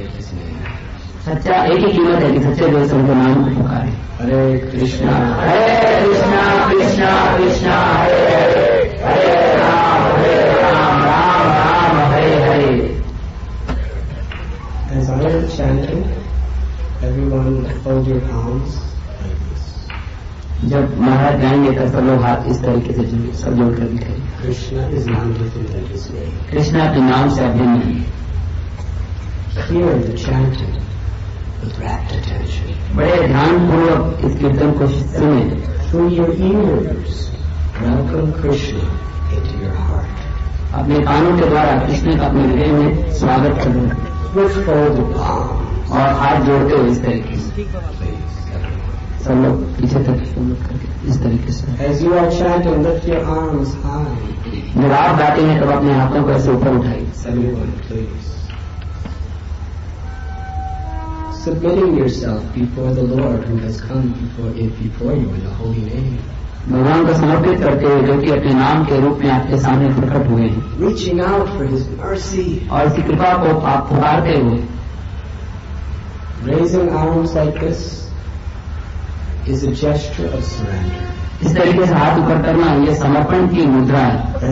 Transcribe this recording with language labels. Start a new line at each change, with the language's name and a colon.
Hindi: सच्चा एक ही कीमत है कि सच्चे जो उनको नाम पुकारे। हरे कृष्णा हरे Krishna Krishna Krishna Hare Hare Hare Ram Ram Ram Hare Hare.
English: As I am chanting, everyone hold your hands like this.
Hindi: जब महाराज गाएंगे तब सब लोग हाथ इस तरीके से जुड़े सब जोड़ कर बैठे। कृष्णा इस नाम के तुम तक इसलिए कृष्णा के नाम से अभिन्न
English: Hear the chanting
Hindi: बड़े ध्यानपूर्वक इस कीर्तन को सुने
English: through your ears welcome Krishna into your heart
Hindi: अपने कानों के द्वारा कृष्ण का अपने हृदय में स्वागत कर लें और हाथ जोड़ते हुए इस तरीके से सब लोग पीछे तक इस तरीके से
English: as you are chanting lift your arms high
Hindi: जब आप गाते हैं तब अपने हाथों को ऐसे ऊपर उठाइए
English: Submitting yourself before the Lord who has come before it before you in the holy name.
Hindi: भगवान को समर्पित करते हुए जो कि अपने नाम के रूप में आपके सामने प्रकट हुए हैं
English: reaching out for his mercy
Hindi: और इसकी कृपा को आप पुकारते हुए
English: raising arms like this is a gesture of surrender
Hindi: इस तरीके से हाथ ऊपर करना यह समर्पण की मुद्रा है